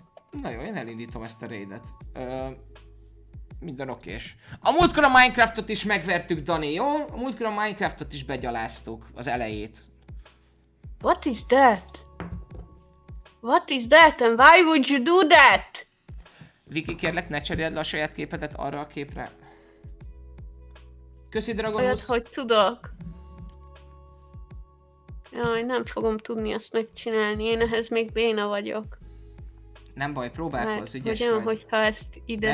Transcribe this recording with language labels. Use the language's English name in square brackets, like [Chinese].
[Hungarian] Na jó, én elindítom ezt a raidet. Minden okés. A múltkor a Minecraftot is megvertük, Dani, jó? A múltkor a Minecraftot is begyaláztuk, az elejét. [English] What is that? What is that and why would you do that? [Hungarian] Viki, kérlek, ne cseréld le a saját képedet arra a képre. Köszi, Dragonus. Olyat, hogy tudok. Jaj, nem fogom tudni azt megcsinálni, én ehhez még béna vagyok. Nem baj, próbálkozz, ügyes vagy. Mert hogyha ezt ide